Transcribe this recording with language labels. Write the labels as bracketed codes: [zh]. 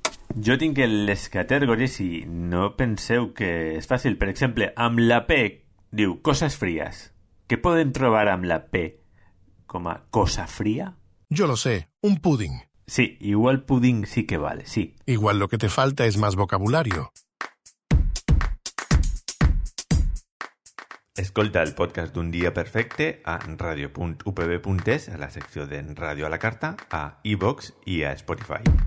[ca] Jo tinc les categories i no penseu que és fàcil. Per exemple, amb la P diu coses fries. Què podem trobar amb la P com a cosa fria? Jo lo sé, un pudding. Sí, igual pudding sí que val, sí. [es] Igual lo que te falta es más vocabulario. [ca] Escolta el podcast d'Un dia perfecte a radio.upb.es, a la secció de Ràdio a la Carta, a iVoox i a Spotify.